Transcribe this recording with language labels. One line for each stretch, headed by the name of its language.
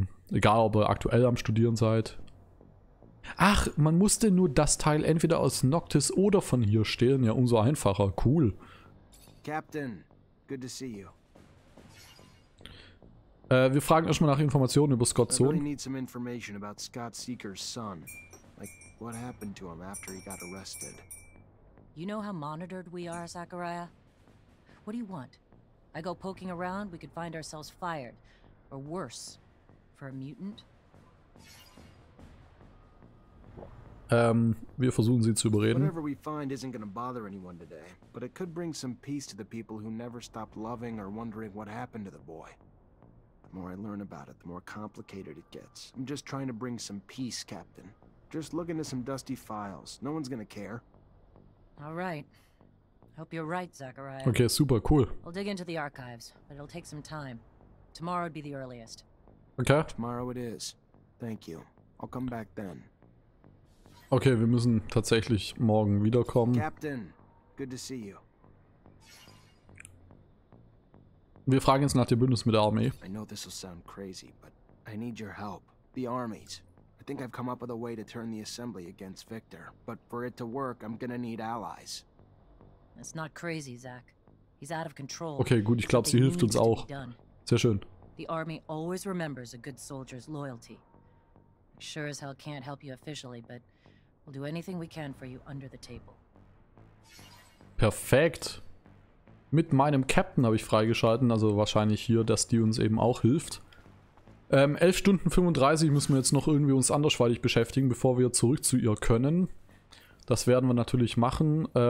German: Egal, ob ihr aktuell am Studieren seid. Ach, man musste nur das Teil entweder aus Noctis oder von hier stehlen. Ja, umso einfacher. Cool.
English: Captain, good to see you.
German: Wir fragen erstmal nach Informationen über Scotts Sohn.
English: Really need some information about Scott Seeker's son. Like, what happened to him after he got arrested? You know how monitored we are, Zachariah? What do you want? I go poking around, we could find ourselves fired. Or worse, for a mutant?
German: Wir versuchen sie zu überreden.
English: Whatever we find isn't gonna bother anyone today, but it could bring some peace to the people who never stopped loving or wondering what happened to the boy. The more I learn about it, the more complicated it gets. I'm just trying to bring some peace, Captain. Just look into some dusty files. No one's gonna care. All right. Hope you're right, Zachariah. Okay, super cool. I'll dig into the archives, but it'll take some time. Tomorrow would be the earliest. Okay. Tomorrow it is. Thank you. I'll come back then.
German: Okay, wir müssen tatsächlich morgen wiederkommen.
English: Captain, good to see you.
German: Wir fragen jetzt nach dem Bündnis mit der Armee.
English: I know this will sound crazy, but I need your help. The armies. I think I've come up with a way to turn the assembly against Victor. But for it to work, I'm gonna need allies. It's not crazy, Zack. He's out of control.
German: Okay, gut, ich glaube, sie hilft uns auch. Sehr schön.
English: The army always remembers a good soldier's loyalty. Sure as hell can't help you officially, but we'll do anything we can for you under the table.
German: Perfekt. Mit meinem Captain habe ich freigeschalten, also wahrscheinlich hier, dass die uns eben auch hilft. 11 Stunden 35 müssen wir jetzt noch irgendwie uns andersweitig beschäftigen, bevor wir zurück zu ihr können. Das werden wir natürlich machen.